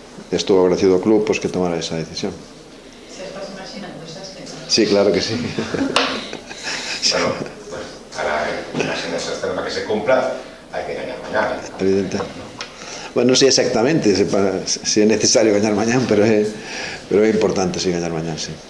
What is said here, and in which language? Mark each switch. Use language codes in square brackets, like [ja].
[gl] Estou agradecido ao club pois, que tomara esa decisión. [es] Se estás imaginando esa escena. Sí, claro que sí. Bueno, pues, para imaginar esa escena que se cumpla, [gl] hai que gañar mañana. [es] ¿No? Evidente. [gl] Bueno, non sei exactamente se é necesario gañar mañán, pero é importante se gañar mañán, sí.